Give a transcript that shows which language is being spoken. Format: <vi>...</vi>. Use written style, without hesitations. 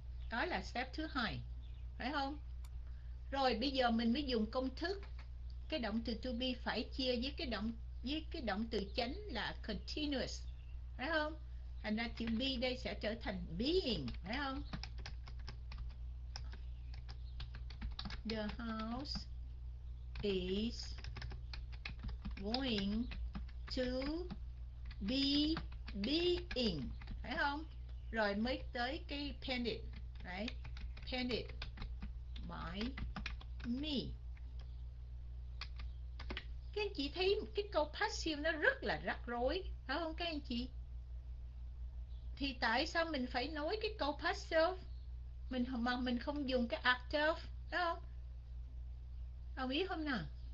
<vi>Đó là step thứ hai, phải không? Rồi bây giờ mình mới dùng công thức. Cái động từ to be phải chia với cái động từ chánh là continuous, phải không? Thành ra chữ be đây sẽ trở thành being, phải không?</vi> <en>The house is going to be being,</en> <vi>phải không? Rồi mới tới cái</vi> <en>painted, right? Painted by me.</en> <vi>Các anh chị thấy cái câu passive nó rất là rắc rối, phải không các anh chị? Thì tại sao mình phải nói cái câu passive mà mình không dùng cái active, phải không? Đồng ý không nào?</vi>